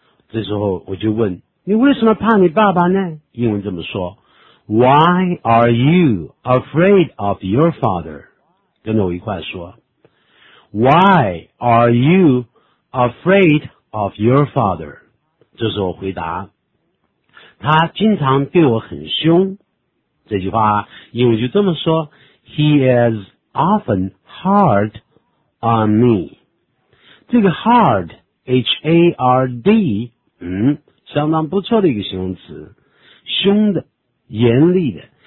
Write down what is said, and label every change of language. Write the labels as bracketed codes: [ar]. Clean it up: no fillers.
[zh] 这时候我就问，你为什么怕你爸爸呢？英文这么说， [en] Why are you afraid of your father? [zh] 跟着我一块说， [en] Why are you afraid of your father? [zh] 这时候我回答，他经常对我很凶。这句话英文就这么说， [en] He is often hard on me。 [zh] 这个 hard H-A-R-D相当不错的一个形容词，凶的，严厉的。